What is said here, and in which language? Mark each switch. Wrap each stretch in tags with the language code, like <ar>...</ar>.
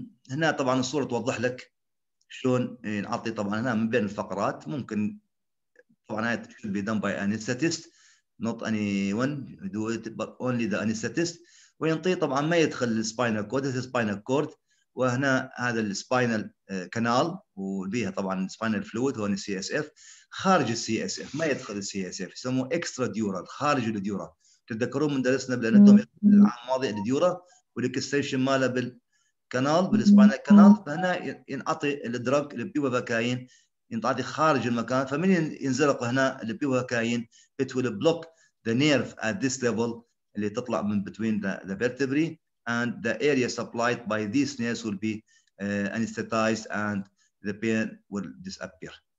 <ar>هنا طبعا الصوره توضح لك شلون ينعطي، طبعا هنا من بين الفقرات ممكن طبعا هاي</ar> <en>should be done by anesthetist not anyone do it but only the anesthetist.</en> <ar>وينطيه طبعا ما يدخل السباينال كورد, هذا السباينال كورد وهنا هذا السباينال كانال وبيها طبعا السباينال فلويد هون السي اس اف, خارج السي اس اف ما يدخل السي اس اف, يسموه اكسترا ديورال, خارج الديوره. تتذكرون من درسنا بالاناتومي العام الماضي الديوره والاكستنشن ماله بالكانال بالسباينال كانال, فهنا ينعطي الدراج للبيوفاكاين ينعطي خارج المكان, فمن ينزلق هنا البيوفاكاين</ar> <en>it will block the nerve at this level</en> <ar>اللي تطلع من</ar> <en>between the vertebrae and the area supplied by these nerves will be anesthetized and the pain will disappear.</en>